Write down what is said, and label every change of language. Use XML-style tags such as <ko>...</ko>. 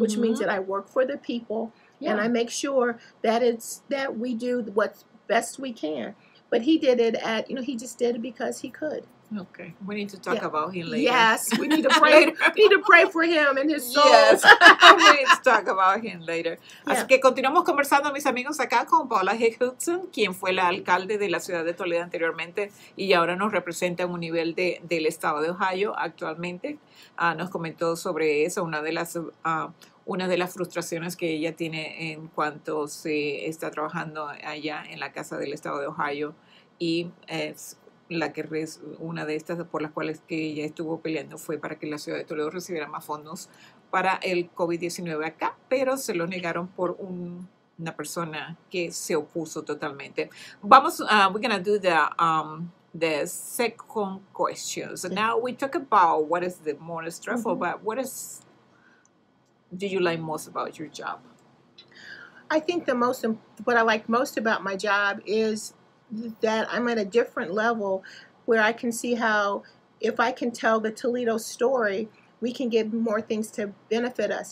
<en>which means that I work for the people, yeah. and I make sure that it's that we do what's best we can. But he did it at, you know, he just did it because he could. Okay, we need to talk yeah. about him later. Yes, we need to pray. We need to pray for him and his soul. Yes, we need to talk about him later. Yeah.</en> <es>Así que continuamos conversando, mis amigos, acá con Paula Hick Hudson, quien fue la alcalde de la ciudad de Toledo anteriormente y ahora nos representa en un nivel del estado de Ohio actualmente. Nos comentó sobre eso, una de las frustraciones que ella tiene en cuanto se está trabajando allá en la casa del estado de Ohio y es la que una de estas por las cuales que ella estuvo peleando fue para que la ciudad de Toledo recibiera más fondos para el COVID-19 acá, pero se lo negaron por una persona que se opuso totalmente.</es> <en>Vamos, we're going to do the second question. So now we talk about what is the more stressful, mm-hmm. but what is do you like most about your job? I think what I like most about my job is that I'm at a different level where I can see how if I can tell the Toledo story, we can get more things to benefit us.</en>